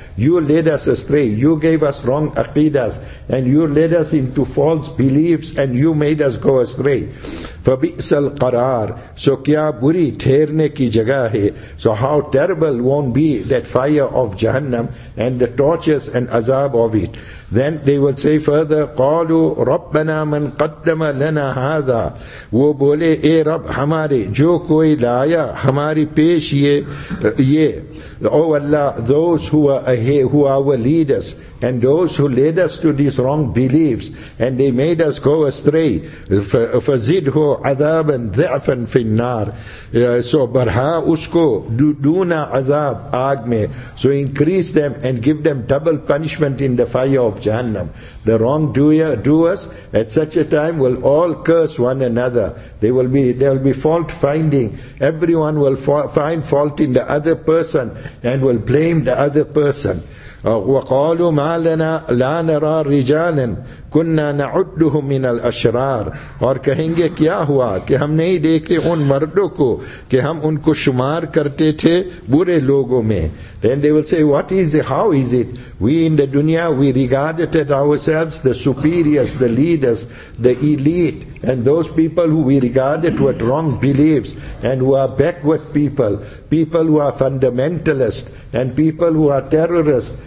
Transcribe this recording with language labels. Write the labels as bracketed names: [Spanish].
[English] You led us astray. You gave us wrong aqidas, and you led us into false beliefs, and you made us go astray. [Arabic] فَبِئْسَ الْقَرَارِ. [Urdu] So kya buri thehrne ki jagah hai. [English] So how terrible won't be that fire of Jahannam and the tortures and azab of it. Then they will say further, [Arabic] قَالُوا رَبَّنَا مَنْ قَدَّمَ لَنَا هَذَا. [Urdu] وہ بولے, اے رب ہمارے جو کوئی لایا ہماری پیش یہ. [English] Oh Allah, those who are our leaders, and those who led us to these wrong beliefs, and they made us go astray. [Arabic] فَزِدْهُ عَذَابًا ذِعْفًا فِي النَّارِ. [Urdu] So barha usko duna azab aag mein. [English] So increase them and give them double punishment in the fire of Jahannam. The wrongdoers at such a time will all curse one another. There will be fault finding. Everyone will find fault in the other person and will blame the other person. [Arabic] وَقَالُوا مَا لَنَا لَا نَرَى رِجَالًا كُنَّا نَعُدُّهُمْ مِنَ الْأَشْرَارِ. [Urdu] اور کہیں گے, کیا ہوا کہ ہم نہیں دیکھتے ان مردوں کو کہ ہم ان کو شمار کرتے تھے برے لوگوں میں. [English] Then they will say, what is it, how is it? We in the dunya, we regarded it ourselves, the superiors, the leaders, the elite, and those people who we regarded with wrong beliefs, and who are backward people, people who are fundamentalist, and people who are terrorists.